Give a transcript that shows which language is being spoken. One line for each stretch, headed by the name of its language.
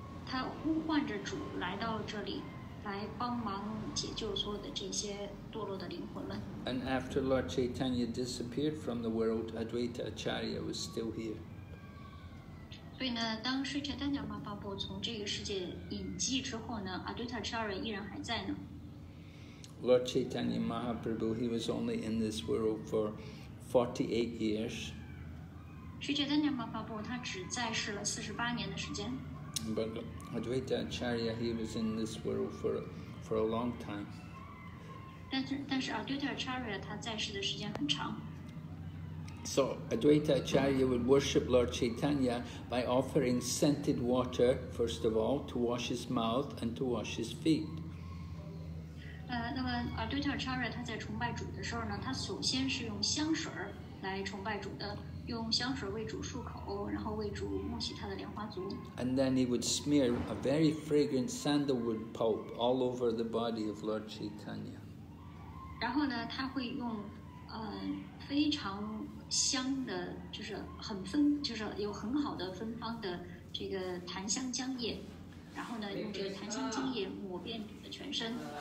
Chinese: 他呼唤着主来到这里，来帮忙解救所有的这些堕落的灵魂们。
English: And after Lord Chaitanya disappeared from the world, Advaita Acharya was still here.
Chinese: 所以呢，当 Sri Chaitanya Mahaprabhu 从这个世界隐迹之后呢， Advaita Acharya 依然还在呢。
English: Lord Chaitanya Mahaprabhu, he was only in this world for 48 years.
Chinese: Sri Chaitanya Mahaprabhu 他只在世了48年的时间。
English: But Advaita Acharya, he was in this world for a long time.
Chinese: 但是 Advaita Acharya 他在世的时间很长。
English: So Advaita Acharya would worship Lord Chaitanya by offering scented water, first of all, to wash his mouth and to wash his feet.
Chinese: 那么 Advaita Acharya 他在崇拜主的时候呢，他首先是用香水来崇拜主的，用香水为主漱口，然后为主沐洗他的莲花足。
English: And then he would smear a very fragrant sandalwood pulp all over the body of Lord Chaitanya.
Chinese: 然后呢，他会用非常香的，就是很芬，就是有很好的芬芳的这个檀香浆液，然后呢，用这个檀香浆液抹遍你的全身。